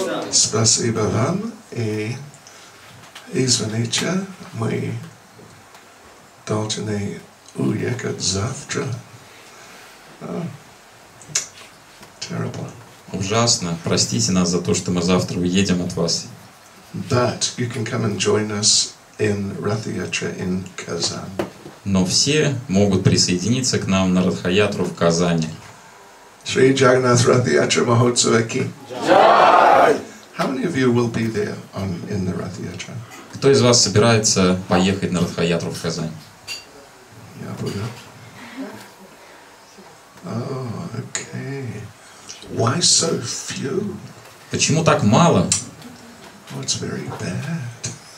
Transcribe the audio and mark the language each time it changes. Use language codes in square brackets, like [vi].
[ru] Спасибо вам и извините, мы должны уехать завтра. [en] Terrible. [ru] Ужасно. Простите нас за то, что мы завтра уедем от вас. [en] But you can come and join us in Rathayatra in Kazan. [ru] Но все могут присоединиться к нам на Радхаятру в Казани. [hi] Shri Jagannath Rathayatra Mahotsava ki. Jai! [en] How many of you will be there on in the Rathayatra? [ru] Кто из вас собирается поехать на Радхаятру в Казань? Я буду. Okay. [en] Why so few? [ru] Почему так мало? [en] Oh, it's very bad.